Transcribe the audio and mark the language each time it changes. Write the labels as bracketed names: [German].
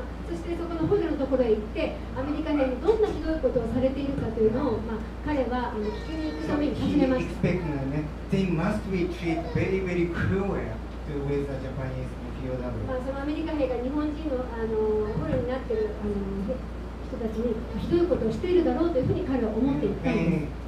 [Japanese] そしてそこの捕虜のところへ行ってアメリカ兵にどんなひどいことをされているかというのを、まあ、彼は聞きに行くために尋ねました。 [English] He expected that they must be treated very very cruel to with the Japanese POW、まあ、 [Japanese] そのアメリカ兵が日本人の捕虜になっている人たちにひどいことをしているだろうというふうに彼は思っていったんです。